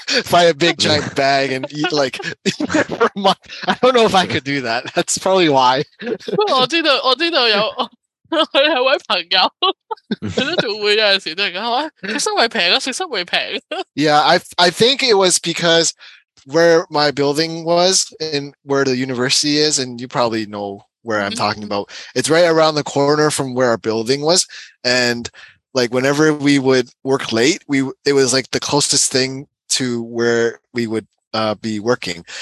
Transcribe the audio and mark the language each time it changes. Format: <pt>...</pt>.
<en>Buy a big giant bag and eat like for a month. I don't know if I could do that. That's probably why.</en> <yue>我知道有佢系位朋友，佢都仲会有阵时都系咁话，食湿维平啊，食湿维平。</yue> <en>Yeah, I think it was because where my building was and where the university is, and you probably know where I'm talking about. It's right around the corner from where our building was. And like whenever we would work late, it was like the closest thing to where we would be working.</en>